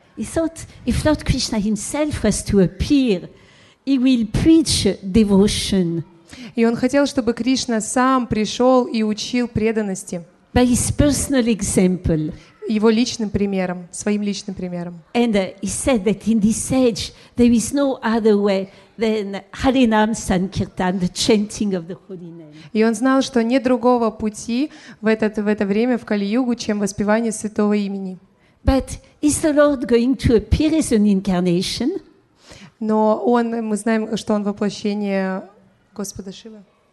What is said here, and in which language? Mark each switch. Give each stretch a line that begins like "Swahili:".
English: He thought, if Lord Krishna himself was to appear, he will preach devotion.
Russian: И он хотел, чтобы Кришна сам пришел и учил преданности.
English: By his personal example.
Russian: Его личным примером, своим личным примером.
English: And he said that in this age there is no other way than Harinam Sankirtan, the chanting of the holy name.
Russian: И он знал, что нет другого пути в это время в Кали-Югу, чем воспевание святого имени.
English: But is the Lord going to appear as an incarnation?
Russian: Но он, мы знаем, что он воплощение Господа Шивы.